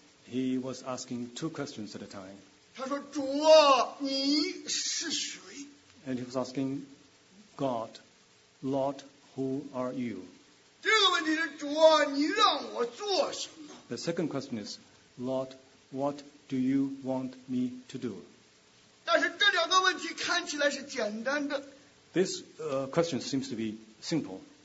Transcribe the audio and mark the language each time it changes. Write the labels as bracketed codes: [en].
[en] He was asking two questions at a time. [zh] 他说，主啊，你是谁？ [en] And he was asking God, Lord, who are you? [zh] 这个问题是，主啊，你让我做什么？ [en] The second question is, Lord, what do you want me to do? [zh] 但是这两个问题看起来是简单的。 [en] This question seems to be simple.